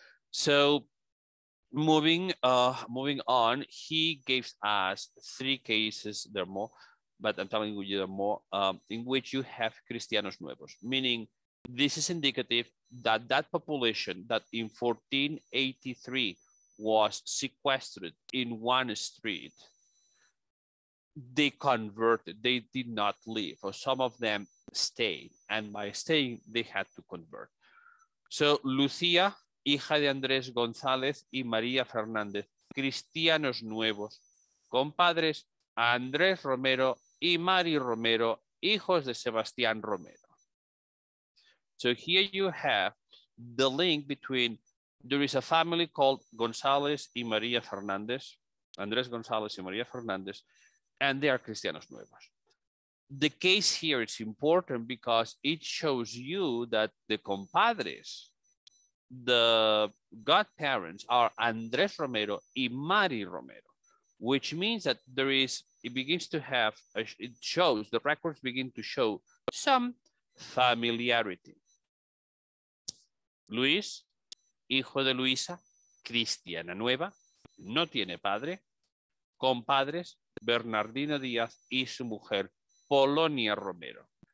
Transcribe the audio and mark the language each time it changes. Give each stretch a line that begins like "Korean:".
English: So moving on, he gave us three cases, there are more, but I'm telling you there are more, in which you have Cristianos Nuevos, meaning this is indicative that that population that in 1483 was sequestered in one street, they converted, they did not leave, or some of them stayed, and by staying, they had to convert.
Spanish: So Lucia, hija de Andrés González y María Fernández, Cristianos Nuevos, compadres Andrés Romero y Mari Romero, hijos de Sebastián Romero.
English: So here you have the link between, there is a family called González y María Fernández, Andrés González y María Fernández, and they are Cristianos Nuevos. The case here is important because it shows you that the compadres, the godparents, are Andrés Romero and Mari Romero, which means that there is, it begins to have, it shows, the records begin to show some familiarity.
Spanish: Luis, hijo de Luisa, Cristiana Nueva, no tiene padre, compadres, Bernardino Díaz y su mujer, Polonia Romero.